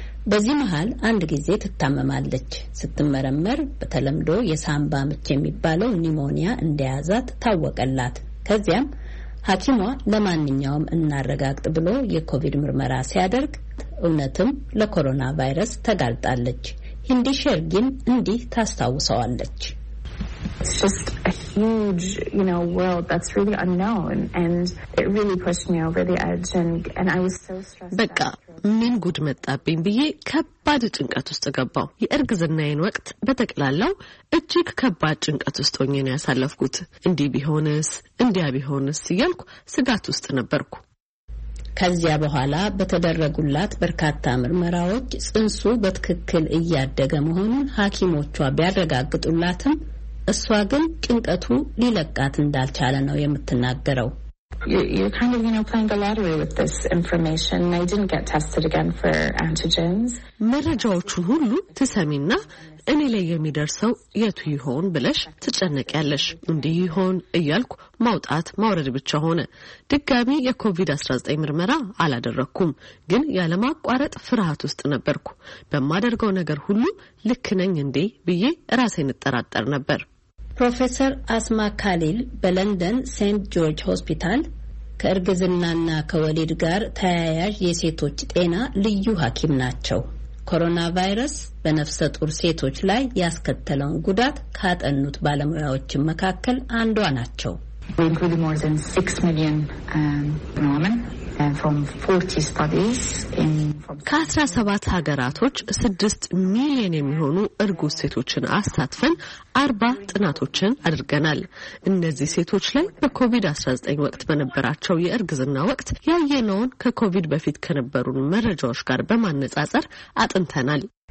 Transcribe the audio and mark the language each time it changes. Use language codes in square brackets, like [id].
[am] በዚህ መሃል አንድ ጊዜ ተታመማለች። ስትመረመር በተለምዶ የሳምባ ምች የሚባለው ኒሞኒያ እንደያዛት ታወቀላት። ከዚያም ሐኪሟ ለማንኛውም እናረጋግጥ ብሎ የኮቪድ ምርመራ ሲያደርግ እውነትም ለኮሮና ቫይረስ ተጋልጣለች። ሂንዲ ሸርጊን እንዲህ ታስታውሳለች። [en] It's just a huge, you know, world that's really unknown and it really pushed me over the edge and I was so stressed. [am] በቃ ምን ጉድ መጣብኝ ብዬ ከባድ ጭንቀት ውስጥ ገባሁ። የእርግዝናዬን ወቅት በተቀላላው እጅግ ከባድ ጭንቀት ውስጥ ሆኜ ነው ያሳለፍኩት። እንዲያ ቢሆንስ እያልኩ ስጋት ውስጥ ነበርኩ። ከዚያ በኋላ በተደረጉላት በርካታ ምርመራዎች ጽንሱ በትክክል እያደገ መሆኑን ሐኪሞቿ ቢያረጋግጡላትም እሷ ግን ጭንቀቱ ሊለቃት እንዳልቻለ ነው የምትናገረው። [en] You're kind of, you know, playing the lottery with this information. I didn't get tested again for antigens. [am] መረጃዎቹን ሁሉ ትሰሚና እኔ ላይ የሚደርሰው የቱ ይሆን ብለሽ ትጨነቂያለሽ። እንዲህ ይሆን እያልኩ ማውጣት ማውረድ ብቻ ሆነ። ድጋሚ የኮቪድ-19 ምርመራ አላደረኩም፣ ግን ያለማቋረጥ ፍርሃት ውስጥ ነበርኩ። በማደርገው ነገር ሁሉ ልክ ነኝ እንዴ ብዬ ራሴን እጠራጠር ነበር። ፕሮፌሰር አስማ ካሊል በለንደን ሴንት ጆርጅ ሆስፒታል ከእርግዝናና ከወሊድ ጋር ተያያዥ የሴቶች ጤና ልዩ ሐኪም ናቸው። ኮሮና ቫይረስ በነፍሰ ጡር ሴቶች ላይ ያስከተለውን ጉዳት ካጠኑት ባለሙያዎች መካከል አንዷ ናቸው። [en] including more than 6 million women from 40 studies [am] ከ17 ሀገራቶች 6 ሚሊዮን የሚሆኑ እርጉዝ ሴቶችን አስተታፈን 40 ጥናቶችን አድርገናል። እነዚህ ሴቶች ላይ በኮቪድ-19 ወቅት በነበራቸው የእርግዝና ወቅት ያየነውን ከኮቪድ በፊት ከነበሩን መረጃዎች ጋር በማነጻጸር አጥንተናል።